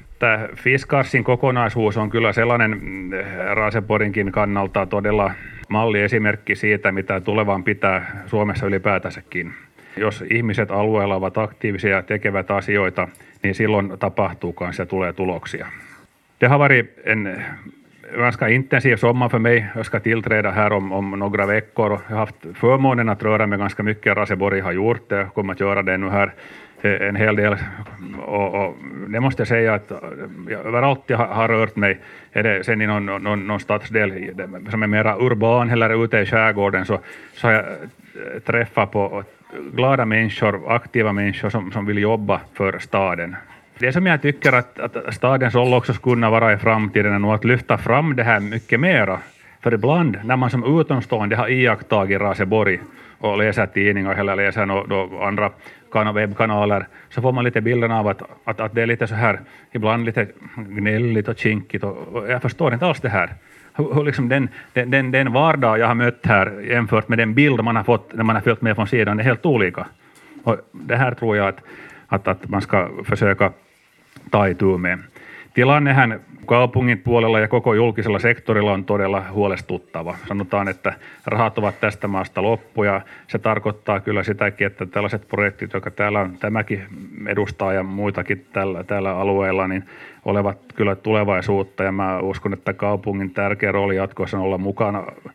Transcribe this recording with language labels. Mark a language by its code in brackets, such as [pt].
[fi] Tämä Fiskarsin kokonaisuus on kyllä sellainen Raaseporinkin kannalta todella malliesimerkki siitä, mitä tulevaan pitää Suomessa ylipäätänsäkin. Jos ihmiset alueella ovat aktiivisia ja tekevät asioita, niin silloin tapahtuukaan ja tulee tuloksia. [sv] Tehavari en ganska intensiv sommar för mig. Jag ska tillträda här om några veckor. Jag har haft förmånen att röra mig ganska mycket. Raseborg har gjort det. Jag kommer att göra det nu här en hel del. Och det måste jag säga att överallt jag har rört mig. Är det sen i någon stadsdel som är mera urban eller ute i skärgården så har jag träffat på glada människor, aktiva människor som vill jobba för staden. Det som jag tycker att stadens ålderskunna vara i framtiden är nog att lyfta fram det här mycket mera. För ibland när man som utomstående har iakttagit Raseborg och läser tidningar eller läser andra webbkanaler så får man lite bilden av att det är lite så här, ibland lite gnälligt och kinkigt. Jag förstår inte alls det här. Liksom den vardag jag har mött här jämfört med den bild man har fått när man har följt med från sidan är helt olika. Och det här tror jag att man ska försöka taituu meen. [fi] Tilannehän kaupungin puolella ja koko julkisella sektorilla on todella huolestuttava. Sanotaan, että rahat ovat tästä maasta loppu ja se tarkoittaa kyllä sitäkin, että tällaiset projektit, jotka täällä on tämäkin edustaa ja muitakin tällä alueella, niin olevat kyllä tulevaisuutta ja mä uskon, että kaupungin tärkeä rooli jatkossa on olla mukana